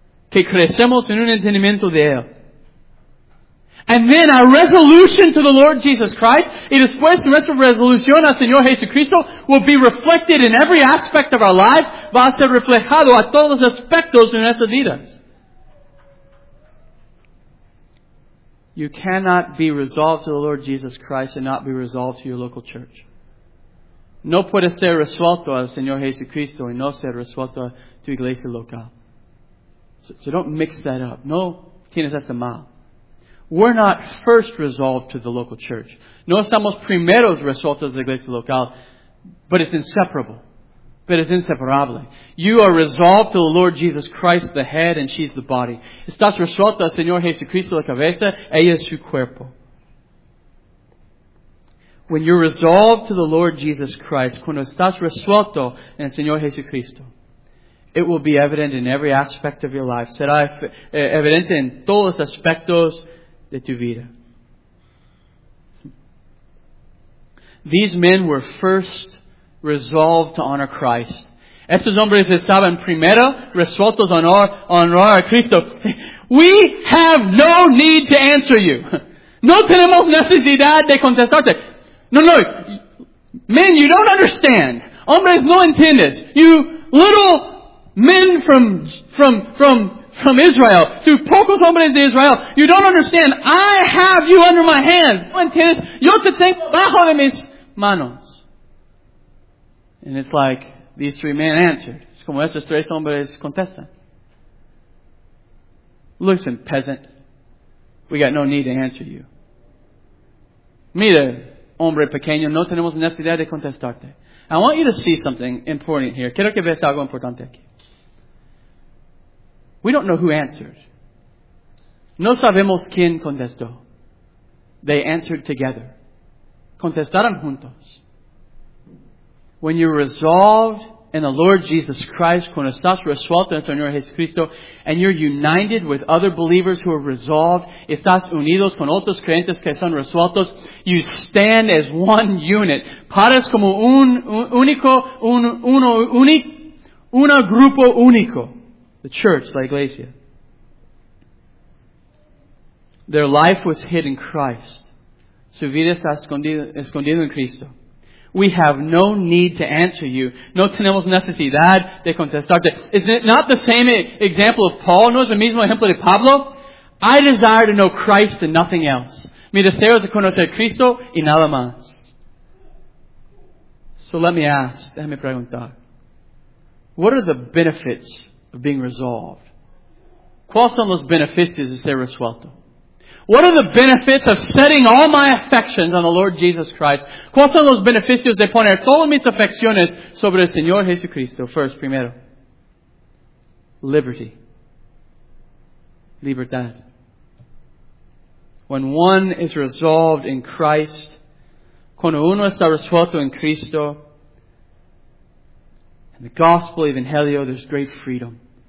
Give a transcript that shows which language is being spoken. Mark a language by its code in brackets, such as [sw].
[es] Que crecemos en un entendimiento de Él. [en] And then our resolution to the Lord Jesus Christ, [es] y después nuestra resolución al Señor Jesucristo, [en] will be reflected in every aspect of our lives, [es] va a ser reflejado a todos los aspectos de nuestras vidas. [en] You cannot be resolved to the Lord Jesus Christ and not be resolved to your local church. [es] No puede ser resuelto al Señor Jesucristo y no ser resuelto a tu iglesia local. [en] So don't mix that up. [es] No tienes esta mal. [en] We're not first resolved to the local church. [es] No estamos primeros resueltos a la iglesia local. [en] But it's inseparable. But it's inseparable. You are resolved to the Lord Jesus Christ, the head, and she's the body. [es] Estás resuelto al Señor Jesucristo, la cabeza, ella es su cuerpo. [en] When you're resolved to the Lord Jesus Christ, [es] cuando estás resuelto en el Señor Jesucristo, [en] it will be evident in every aspect of your life. [es] Será evidente en todos los aspectos de tu vida. [en] These men were first resolved to honor Christ. [es] Estos hombres estaban primero resueltos a honrar a Cristo. [en] We have no need to answer you. [es] No tenemos necesidad de contestarte. [en] No. Men, you don't understand. [es] Hombres, no entiendes. [en] You little men from Israel, to [es] pocos hombres de Israel, [en] you don't understand. I have you under my hand. [es] No entiendes. Yo te tengo bajo de mis manos. [en] And it's like these three men answered. [es] Es como estos tres hombres contestan. [en] Listen, peasant. We got no need to answer you. [es] Mira, hombre pequeño, no tenemos necesidad de contestarte. [en] I want you to see something important here. [es] Quiero que veas algo importante aquí. [en] We don't know who answered. [es] No sabemos quién contestó. [en] They answered together. [es] Contestaron juntos. [en] When you're resolved in the Lord Jesus Christ, [es] cuando estás resuelto en el Señor Jesucristo, [en] and you're united with other believers who are resolved, [es] estás unidos con otros creyentes que son resueltos, [en] you stand as one unit. [es] Paras como un grupo único. [en] The church, [es] la iglesia. [en] Their life was hid in Christ. [es] Su vida está escondida en Cristo. [en] We have no need to answer you. [es] No tenemos necesidad de contestarte. [en] Is it not the same example of Paul? [es] No es el mismo ejemplo de Pablo? [en] I desire to know Christ and nothing else. [es] Mi deseo es conocer Cristo y nada más. [en] So let me ask, [es] déjame preguntar. [en] What are the benefits of being resolved? [es] ¿Cuáles son los beneficios de ser resuelto? [en] What are the benefits of setting all my affections on the Lord Jesus Christ? [es] ¿Cuáles son los beneficios de poner todas mis afecciones sobre el Señor Jesucristo? [en] First, primero. Liberty. Libertad. When one is resolved in Christ, [es] cuando uno está resuelto en Cristo, [en] in the Gospel, Evangelio, there's great freedom.